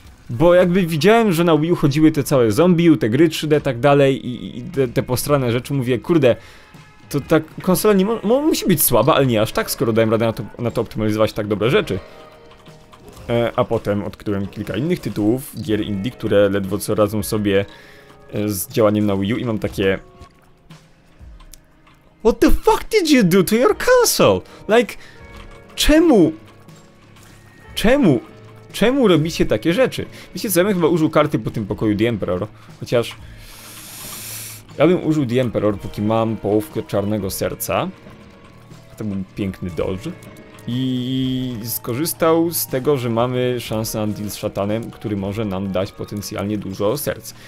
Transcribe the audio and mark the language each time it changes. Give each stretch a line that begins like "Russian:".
Polish: Bo jakby widziałem, że na Wii U chodziły te całe zombie, te gry 3D i tak dalej i te postrane rzeczy, mówię, kurde, to ta konsola nie musi być słaba, ale nie aż tak, skoro dałem radę na to optymalizować tak dobre rzeczy. A potem odkryłem kilka innych tytułów, gier indie, które ledwo co radzą sobie z działaniem na Wii U i mam takie...
English: What the fuck did you do to your console?
Polish: Like, czemu? Czemu? Czemu robicie takie rzeczy? Wiecie co, ja bym chyba użył karty po tym pokoju The Emperor, chociaż... ja bym użył The Emperor, póki mam połówkę czarnego serca. To był piękny dodge. I skorzystał z tego, że mamy szansę na deal z szatanem, który może nam dać potencjalnie dużo serc.